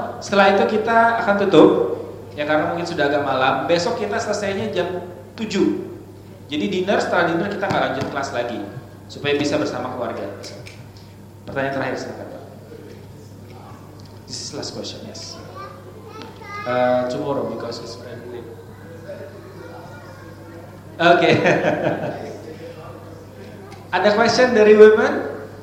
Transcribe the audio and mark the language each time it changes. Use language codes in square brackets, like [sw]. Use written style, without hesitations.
[id] Setelah itu kita akan tutup. Ya karena mungkin sudah agak malam, besok kita selesainya jam 7. Jadi dinner, setelah dinner kita gak lanjut kelas lagi, supaya bisa bersama keluarga. Pertanyaan terakhir silahkan Pak. [en] This is last question, yes. Tomorrow because it's very late. Okay. [id] Ada question dari women?